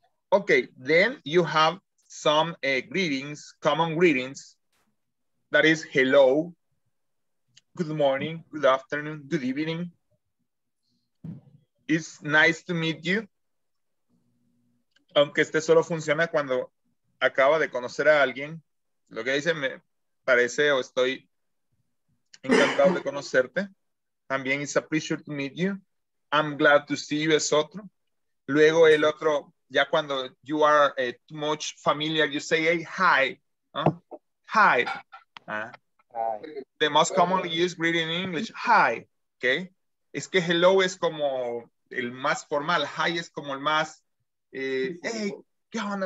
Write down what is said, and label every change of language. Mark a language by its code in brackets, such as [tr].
[en] Okay, then you have some greetings, common greetings. That is hello, good morning, good afternoon, good evening. It's nice to meet you. [es] Aunque este solo funciona cuando acaba de conocer a alguien. Lo que dice me parece o estoy encantado de conocerte. También [en] it's a pleasure to meet you. I'm glad to see you [es] es otro. Luego el otro, ya cuando [en] you are too much familiar, you say, hey, hi. Hi. Hi. The most commonly used greeting in English, hi. Okay. [es] Es que hello es como el más formal. Hi es como el más, hey, ¿qué onda?